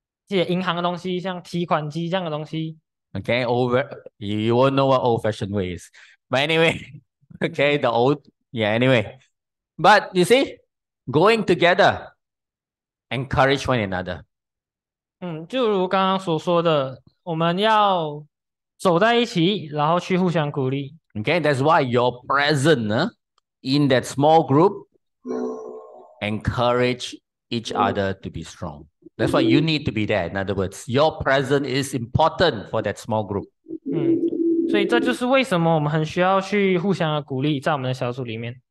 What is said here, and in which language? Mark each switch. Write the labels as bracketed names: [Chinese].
[Chinese] 我当然我也学会了如何使用一些银行的东西，像提款机这样的东西。 [English] Okay, over. You won't know what old-fashioned way is. But anyway, okay, the old. Yeah, anyway. But you see, going together, encourage one another. [Chinese] 就如刚刚所说的，我们要走在一起，然后去互相鼓励。 [English] Okay, that's why your presence in that small group encourage each other to be strong. That's why you need to be there. In other words, your presence is important for that small group. [Chinese] 所以这就是为什么我们很需要去互相的鼓励，在我们的小组里面。